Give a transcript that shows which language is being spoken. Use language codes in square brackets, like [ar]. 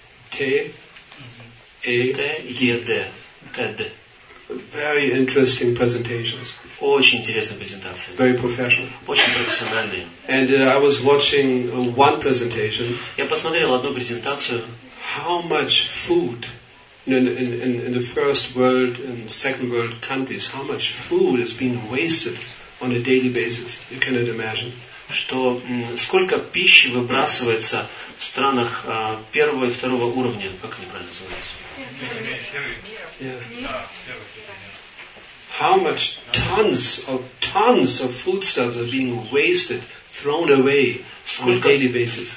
[en] TED. [ru] TED. [en] Very interesting presentations. [ru] Очень интересная презентация. [en] Very professional. [ru] Очень профессиональные. [en] And I was watching one presentation. [ru] Я посмотрел одну презентацию. [en] How much food in the first world and second world countries, how much food is being wasted on a daily basis, you cannot imagine. [ru] Что сколько пищи выбрасывается в странах первого и второго уровня, как они правильно называются? [en] How much tons of foodstuffs are being wasted, thrown away on a daily basis?